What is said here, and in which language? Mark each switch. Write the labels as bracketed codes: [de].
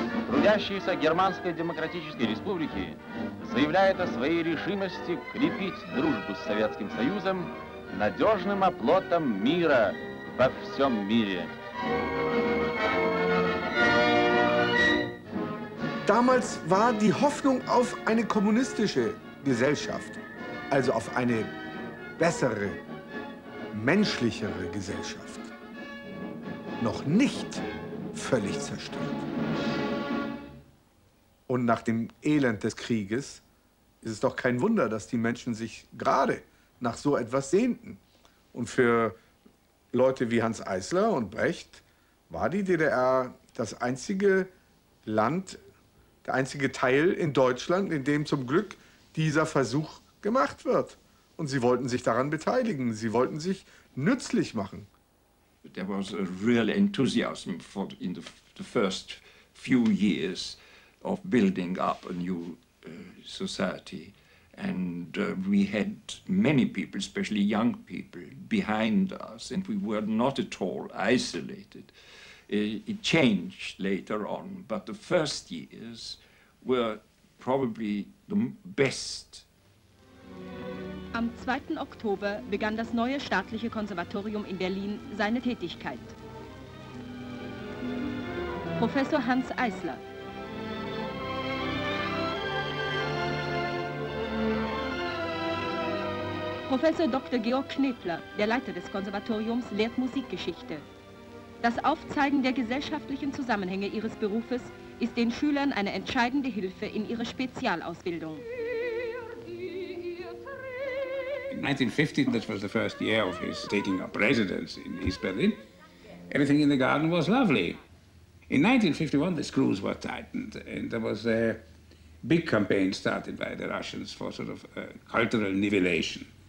[ru] Трудящиеся Германской Демократической Республики заявляют о своей решимости крепить дружбу с Советским Союзом надежным оплотом мира во всем мире. [de] Damals war die Hoffnung auf eine kommunistische Gesellschaft, also auf eine bessere, menschlichere Gesellschaft, noch nicht völlig zerstört. Und nach dem Elend des Krieges ist es doch kein Wunder, dass die Menschen sich gerade nach so etwas sehnten. Und für Leute wie Hanns Eisler und Brecht war die DDR das einzige Land, der einzige Teil in Deutschland, in dem zum Glück dieser Versuch gemacht wird. Und sie wollten sich daran beteiligen, sie wollten sich nützlich machen. [en] There was a real enthusiasm for in the first few years of building up a new society. And we had many people, especially young people, behind us, and we were not at all isolated. It changed later on, but the first years were probably the best. [de] Am 2. Oktober begann das neue staatliche Konservatorium in Berlin seine Tätigkeit. Professor Hanns Eisler. Professor Dr. Georg Knebler, der Leiter des Konservatoriums, lehrt Musikgeschichte. Das Aufzeigen der gesellschaftlichen Zusammenhänge ihres Berufes ist den Schülern eine entscheidende Hilfe in ihrer Spezialausbildung. [en] In 1915, that was the first year of his taking up residence in East Berlin, everything in the garden was lovely. In 1951, the screws were tightened, and there was a big campaign started by the Russians for sort of cultural nivellation.